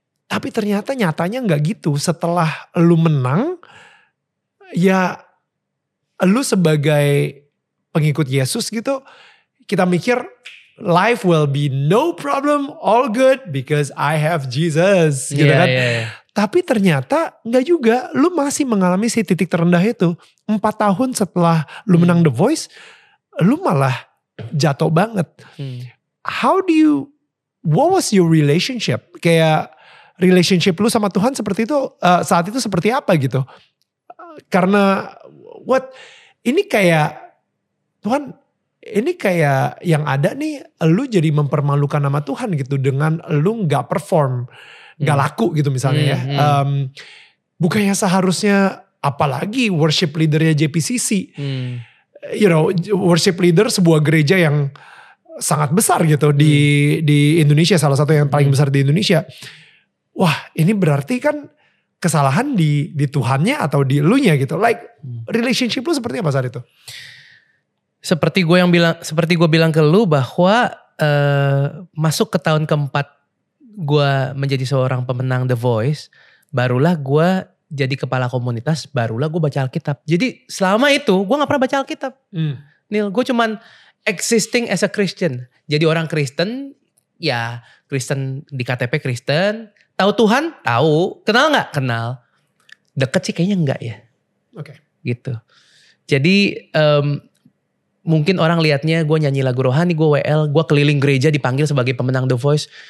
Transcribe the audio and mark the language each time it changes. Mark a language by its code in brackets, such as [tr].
[id] Tapi ternyata nyatanya gak gitu. Setelah lu menang, ya lu sebagai pengikut Yesus gitu, kita mikir, [en] life will be no problem, all good, because I have Jesus. [id] Gitu yeah, kan. [en] Yeah, yeah. [id] Tapi ternyata gak juga, lu masih mengalami si titik terendah itu. 4 tahun setelah lu menang The Voice, lu malah jatuh banget. [en] How do you, what was your relationship? [id] Kayak relationship lu sama Tuhan seperti itu, saat itu seperti apa gitu. Karena, [en] what, [id] ini kayak, Tuhan, ini kayak yang ada nih, lu jadi mempermalukan nama Tuhan gitu, dengan lu gak perform, gak laku gitu misalnya ya. Bukannya seharusnya, apalagi worship leadernya JPCC, [en] you know, [id] worship leader sebuah gereja yang sangat besar gitu di Indonesia, salah satu yang paling besar di Indonesia. Wah, ini berarti kan kesalahan di Tuhannya atau di elunya gitu. Like, relationship lu seperti apa saat itu? Seperti gue yang bilang, seperti gue bilang ke lu bahwa masuk ke tahun keempat gue menjadi seorang pemenang The Voice, barulah gue jadi kepala komunitas, barulah gue baca Alkitab. Jadi selama itu gue gak pernah baca Alkitab. [en] Neil, [id] gue cuman [en] existing as a Christian. [id] Jadi orang Kristen, ya Kristen di KTP Kristen. Tahu Tuhan? Tahu. Kenal gak? Kenal. Deket sih kayaknya enggak ya. Oke. Okay. Gitu. Jadi mungkin orang liatnya gue nyanyi lagu rohani, gue WL, gue keliling gereja dipanggil sebagai pemenang The Voice.